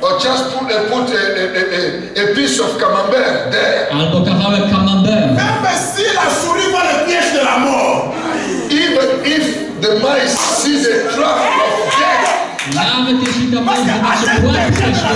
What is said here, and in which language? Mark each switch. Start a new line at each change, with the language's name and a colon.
English: Or just put a piece of camembert there.
Polish: Albo kawałek camembert.
French: Même si la souris voit le piège de la mort.
English: Even if the mice sees a trap of death.
Polish: Nawet jeśli ta
English: mouse
Polish: zobaczy płatkę